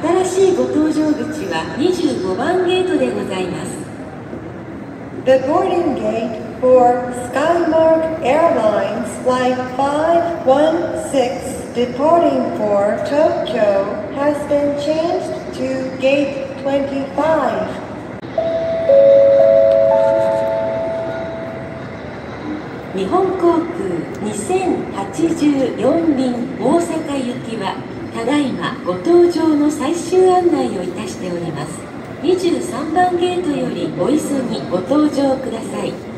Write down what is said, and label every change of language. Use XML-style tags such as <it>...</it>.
<ja>新しいご搭乗口は25番ゲートでございます。</ja> <en>The boarding gate for SkyMark Airlines Flight 516 departing for Tokyo has been changed to gate 25.</en> <ja>2084便大阪行きは、ただいまご搭乗の最終案内をいたしております。 23番ゲートよりお急ぎご搭乗ください。</ja>